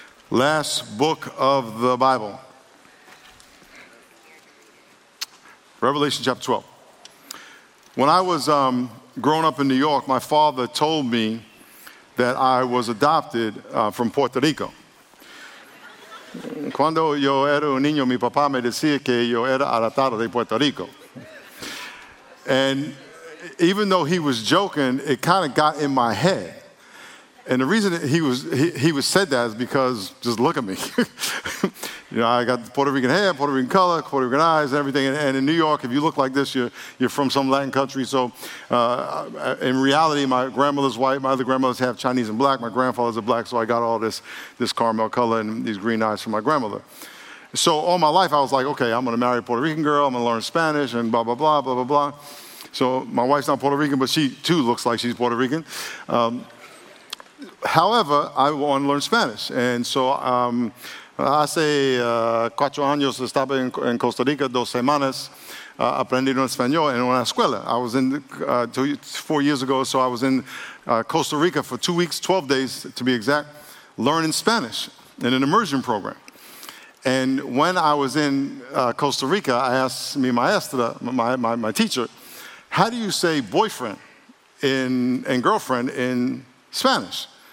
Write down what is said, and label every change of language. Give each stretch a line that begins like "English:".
English: Last book of the Bible. Revelation chapter 12. When I was growing up in New York, my father told me that I was adopted from Puerto Rico.
Spanish: Cuando yo era un niño, mi papá me decía que yo era adoptado de Puerto Rico.
English: And even though he was joking, it kind of got in my head. And the reason he said that is because, just look at me. You know, I got Puerto Rican hair, Puerto Rican color, Puerto Rican eyes, and everything. And in New York, if you look like this, you're from some Latin country. So in reality, my grandmother's white. My other grandmother's half Chinese and black. My grandfather's a black. So I got all this caramel color and these green eyes from my grandmother. So all my life, I was like, okay, I'm going to marry a Puerto Rican girl. I'm going to learn Spanish and blah, blah, blah, blah, blah, blah. So my wife's not Puerto Rican, but she too looks like she's Puerto Rican. However, I want to learn Spanish. And so
Spanish: hace cuatro años estaba en Costa Rica, dos semanas, aprendiendo español en una escuela.
English: I was in 4 years ago, so I was in Costa Rica for 2 weeks, 12 days to be exact, learning Spanish in an immersion program. And when I was in Costa Rica, I asked
Spanish: mi maestra,
English: my teacher, how do you say boyfriend and girlfriend in Spanish?